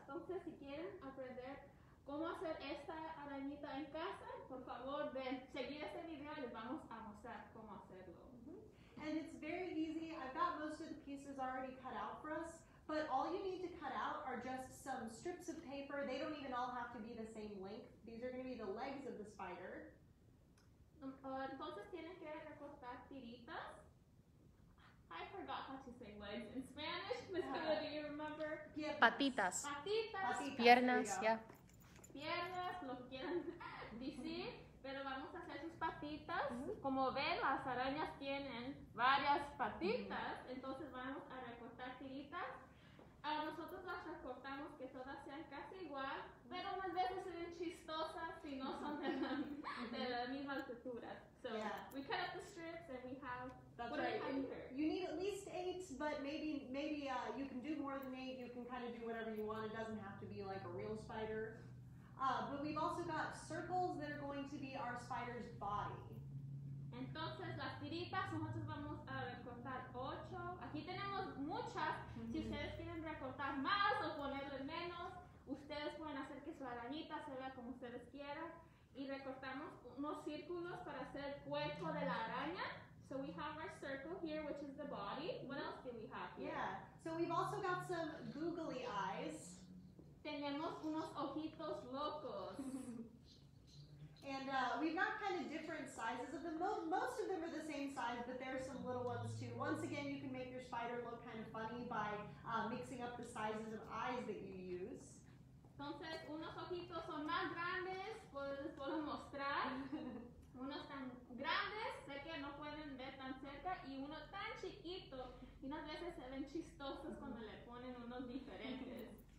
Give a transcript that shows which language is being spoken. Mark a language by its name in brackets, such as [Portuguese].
[Spanish] Entonces, si quieren aprender cómo hacer esta arañita en casa, por favor, ven, seguir este video y les vamos a mostrar cómo hacerlo. [English] And it's very easy. I've got most of the pieces already cut out for us, but all you need to cut out are just some strips of paper. They don't even all have to be the same length. These are going to be the legs of the spider. [Spanish] Entonces tienen que recortar tiritas. [English] I forgot how to say legs in Spanish. Miss Camille, do you remember? Yeah. [Spanish] Patitas. Patitas. Piernas, yeah. Piernas, lo que quieran decir. Pero vamos a hacer sus patitas. Mm-hmm. Como ven, las arañas tienen varias patitas. Mm-hmm. Entonces vamos a recortar tiritas. Nosotros las recortamos que todas sean casi igual. Mm-hmm. Pero unas veces se ven chistosas si no son de la, mm-hmm. de la misma altura. [English] So yeah. We cut up the strips and we have... That's right. You need at least 8, but maybe you can do more than 8. You can kind of do whatever you want. It doesn't have to be like a real spider. But we've also got circles that are going to be our spider's body. [Spanish] Entonces, las tiritas, nosotros vamos a recortar 8. Aquí tenemos muchas. Mm-hmm. Si ustedes quieren recortar más o ponerle menos, ustedes pueden hacer que su arañita se vea como ustedes quieran. Y recortamos unos círculos para hacer el cuerpo de la araña. [English] So we have our circle here, which is the body. What else do we have here? Yeah, so we've also got some googly eyes. [Spanish] Tenemos unos ojitos locos. [English] And we've got kind of different sizes of them. Most of them are the same size, but there are some little ones too. Once again, you can make your spider look kind of funny by mixing up the sizes of eyes that you use. [Spanish] Entonces, unos ojitos son más grandes, pues les puedo mostrar. Unos tan grandes, sé que no pueden ver tan cerca, y uno tan chiquito. Y unas veces se ven chistosos cuando le ponen unos diferentes.